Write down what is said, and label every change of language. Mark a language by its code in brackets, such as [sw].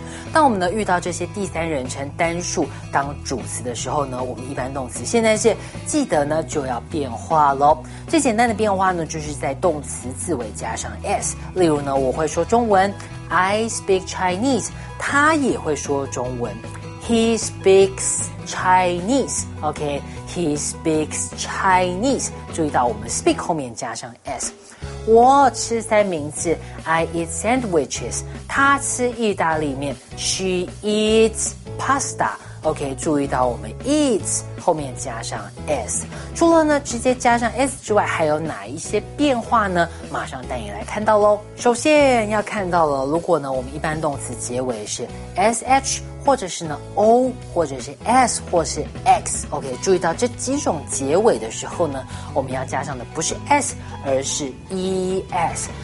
[zh] 当我们呢遇到这些第三人称单数当主词的时候呢，我们一般动词现在是记得呢就要变化咯。最简单的变化呢就是在动词字尾加上 s， 例如呢我会说中文 [en] I speak Chinese， [zh] 他也会说中文。 [en] He speaks Chinese， OK， He speaks Chinese。 [zh] 注意到我们 speak 后面加上 s。我吃三明治 ， [en] I eat sandwiches。 [zh] 他吃意大利面 ， [en] She eats pasta。 [zh] OK， 注意到我们 eats 后面加上 s。除了呢直接加上 s 之外，还有哪一些变化呢？马上带你来看到咯。首先要看到了，如果呢我们一般动词结尾是 sh 或者是呢 o 或者是 s 或是 x， OK， 注意到这几种结尾的时候呢，我们要加上的不是 s 而是 es。